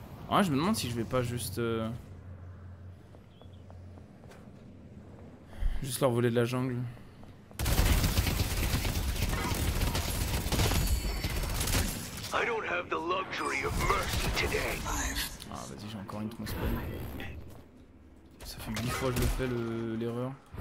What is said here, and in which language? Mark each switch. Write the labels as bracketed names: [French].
[French] Ah, je me demande si je vais pas juste juste leur voler de la jungle. [English] I don't have the luxury of mercy today. [French] Ah vas-y, j'ai encore une transpawn. Ça fait 10 fois que je le fais l'erreur.